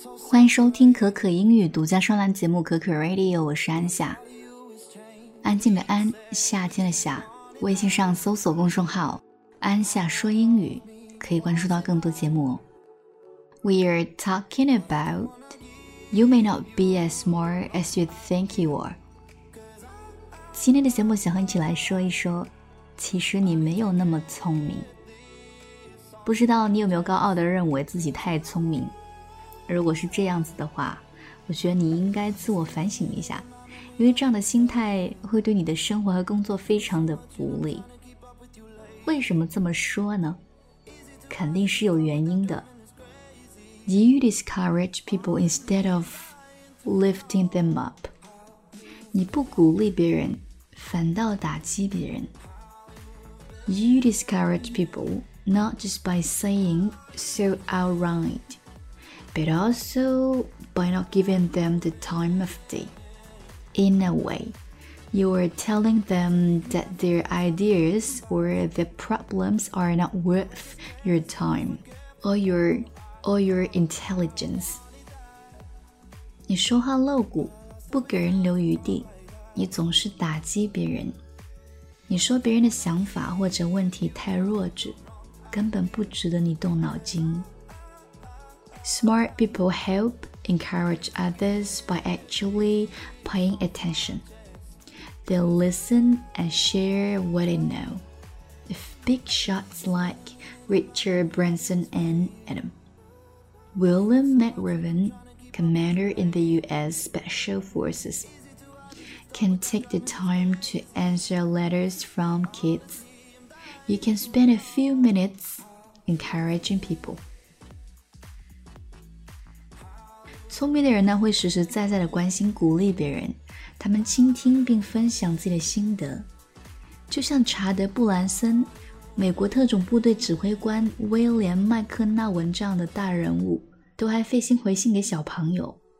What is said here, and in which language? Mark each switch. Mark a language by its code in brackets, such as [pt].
[zh] 欢迎收听可可英语独家专栏节目可可 Radio， 我是安夏，安静的安，夏天的夏。微信上搜索公众号安夏说英语，可以关注到更多节目。 [en] We are talking about You may not be as smart as you think you are。 [zh] 今天的节目想和你一起来说一说，其实你没有那么聪明。不知道你有没有高傲地认为自己太聪明，如果是这样子的话，我觉得你应该自我反省一下，因为这样的心态会对你的生活和工作非常的不利。为什么这么说呢？肯定是有原因的。 [en] Do you discourage people instead of lifting them up? [zh] 你不鼓励别人，反倒打击别人。 [en] You discourage people not just by saying so outright, but also by not giving them the time of day. In a way, you are telling them that their ideas or their problems are not worth your time or your intelligence. [zh] 你说话露骨，不给人留余地，你总是打击别人。你说别人的想法或者问题太弱智，根本不值得你动脑筋。 [en] Smart people help encourage others by actually paying attention. They listen and share what they know. If big shots like Richard Branson and Adam William McRaven, commander in the US Special Forces, can take the time to answer letters from kidsYou can spend a few minutes encouraging people. [zh] 聪明的人呢，会实实在在的关心鼓励别人，他们倾听并分享自己的心得。就像查德·布兰森，美国特种部队指挥官威廉·麦克纳文这样的大人物，都还费心回信给小朋友。